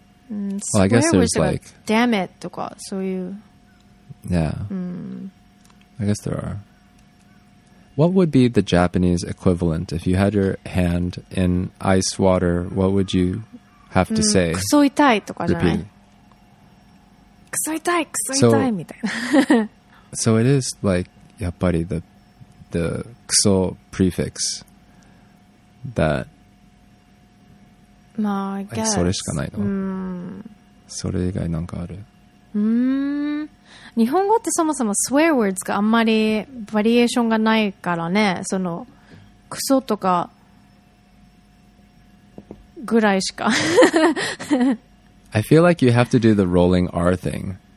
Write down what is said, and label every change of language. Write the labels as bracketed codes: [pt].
[en] Well, I guess there's like... Damn it, [ja] とか、そういう。 [en] Yeah. I guess there are. What would be the Japanese equivalent? If you had your hand in ice water, what would you have to say? [ja] クソ痛いとかじゃない? [en] Repeat. [ja] クソ痛い、クソ痛いみたいな。 [en] So it is like やっぱり the クソ prefix that まあ、I guess. [ja] それしかないの。それ以外なんかある。日本語ってそもそも swear words があんまりバリエーションがないからね。そのクソとかぐらいしか。 [en] I feel like you have to do the rolling R thing.